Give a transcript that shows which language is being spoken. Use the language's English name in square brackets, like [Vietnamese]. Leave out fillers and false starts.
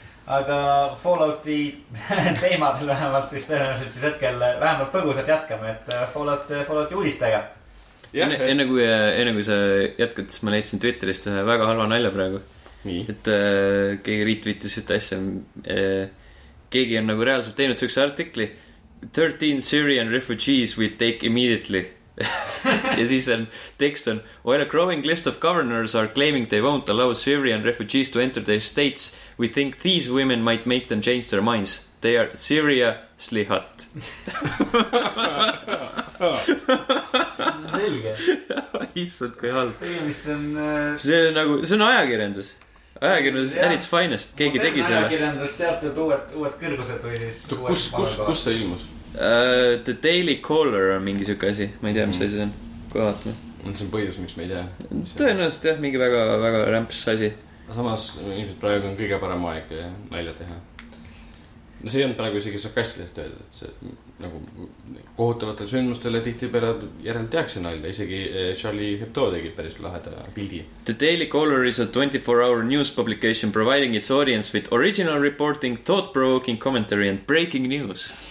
[Estonian] Aga Fallouti teemadel vähemalt vist tõenäoliselt siis hetkel vähemalt põgusat jätkame, et Fallouti uudistega. Ja, enne kui sa jätkad, siis ma leidsin Twitterist ühe väga halva nalja praegu. Nii. Et keegi retweetis ühte asja. Keegi on nagu reaalselt teinud sellise artikli. [English] 13 Syrian refugees we take immediately. [Estonian] Ja siis on tekst on, [English] while a growing list of governors are claiming they won't allow Syrian refugees to enter their states, we think these women might make them change their minds. They are seriously hot. [Estonian] Selge. Issad, kui halb. See on nagu, see on ajakirjandus. Ajakirjandus [English] at its finest. [Estonian] Keegi tegi selle. Ajakirjandus teatud uued kõrgused või siis kus see ilmus? The Daily Caller on mingi sõike asi. Ma ei tea, mis asi see on. Kui vaatame. See on põhjus, miks me ei tea. Tõenäoliselt jah, mingi väga, väga rämps asi. Samas, ilmselt praegu on kõige parem aeg nalja teha. No see on praegu isegi sarkastiliselt öelda. See, nagu, kohutavatele sündmustele tihti peale järel teakse nalja. Isegi Charlie Hebdo tegi päris laheda pildi. [English] The Daily Caller is a 24-hour news publication providing its audience with original reporting, thought-provoking commentary and breaking news.